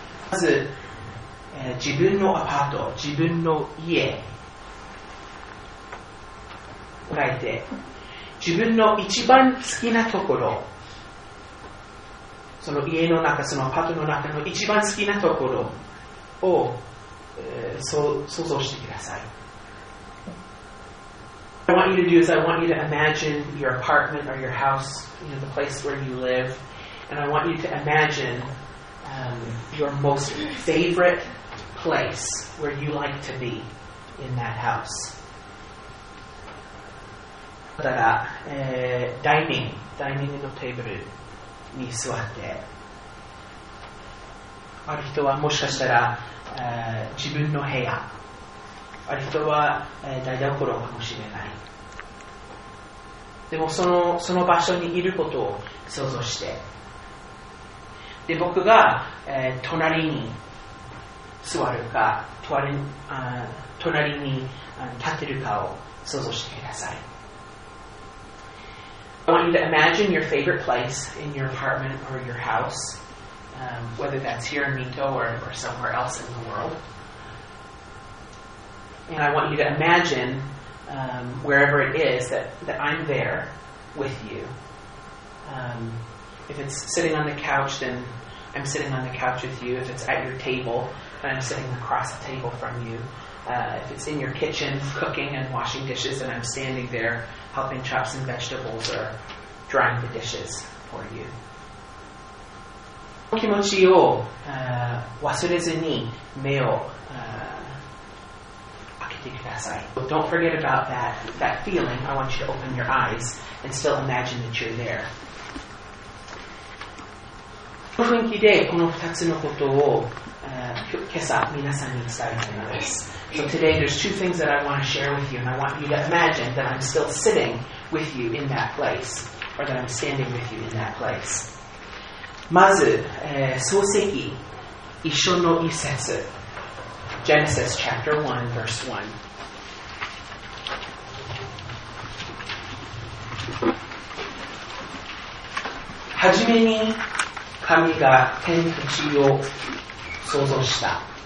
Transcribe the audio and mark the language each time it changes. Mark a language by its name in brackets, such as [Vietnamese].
[Japanese] まず、自分のアパート、自分の家を書いて、自分の一番好きなところ、その家の中、そのアパートの中の一番好きなところを、想像してください。 [English] What I want you to do is I want you to imagine your apartment or your house, you know, the place where you live, and I want you to imagine your most favorite place where you like to be in that house. [Japanese] だから、ダイニングのテーブルに座って、ある人はもしかしたら、自分の部屋、ある人は、台所かもしれない。でもその場所にいることを想像して、で僕が、隣に座るか、隣に立ってるかを想像してください。 [English] I want you to imagine your favorite place in your apartment or your house, whether that's here in Mito or somewhere else in the world. And I want you to imagine wherever it is that I'm there with you. If it's sitting on the couch, then I'm sitting on the couch with you. If it's at your table, then I'm sitting across the table from you. If it's in your kitchen cooking and washing dishes, then I'm standing there helping chop some vegetables or drying the dishes for you. [Japanese] 気持ちを忘れずに目を開けてください。 [English] Don't forget about that feeling. I want you to open your eyes and still imagine that you're there. [Japanese] この雰囲気でこの2つのことを今朝皆さんに伝えたいのです。 [English] So today there's two things that I want to share with you, and I want you to imagine that I'm still sitting with you in that place, or that I'm standing with you in that place. [Japanese] まず、創世記一章の一節。 [English] Genesis chapter 1, verse 1. [Japanese] はじめに神が天と地を創造した。